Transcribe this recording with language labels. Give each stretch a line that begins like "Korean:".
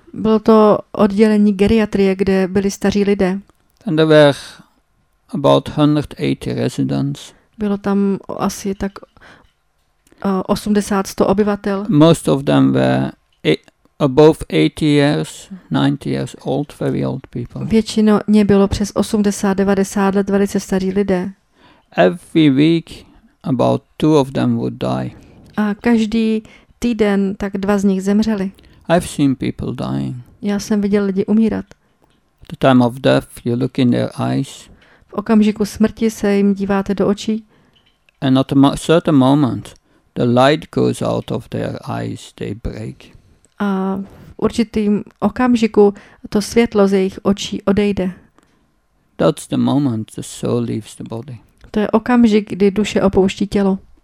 Czech: Bylo to oddělení geriatrie, kde byli staří lidé.
English: And there were about 180 residents.
Czech: Bylo tam asi tak 80-100 obyvatel.
English: Most of them were above 80 years, 90 years old, very old people.
Czech: Většině bylo přes 80-90 let, velice starí lidé.
English: Every week about two of them would die.
Czech: A každý týden tak dva z nich zemřeli.
English: I've seen people dying.
Czech: Já jsem viděl lidi umírat.
English: The time of death, you look in their eyes.
Czech: V okamžiku smrti se jim díváte do očí.
English: And at a certain moment, the light goes out of their eyes, they break.
Czech: A v určitým okamžiku to světlo z jejich očí odejde.
English: That's the moment the soul leaves the body.
Czech: To je okamžik, kdy duše opouští tělo.